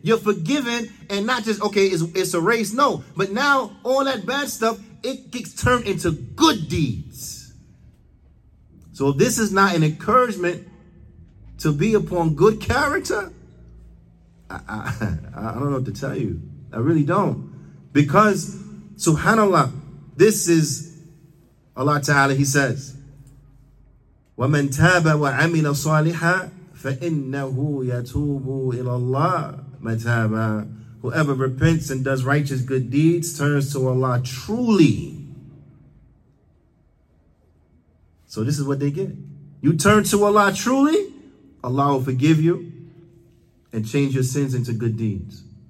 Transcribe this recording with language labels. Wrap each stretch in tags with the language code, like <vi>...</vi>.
<en>You're forgiven, and not just okay, it's erased. No, but now all that bad stuff, it gets turned into good deeds. So if this is not an encouragement to to be upon good character? I don't know what to tell you. I really don't. Because, subhanAllah, this is Allah Ta'ala, he says,</en> <ar>وَمَنْ تَابَ وَعَمِلَ صَالِحًا فَإِنَّهُ يَتُوبُ إِلَى اللَّهِ مَتَابًا.</ar> <en>Whoever repents and does righteous good deeds turns to Allah truly. So this is what they get. You turn to Allah truly, Allah will forgive you and change your sins into good deeds.</en>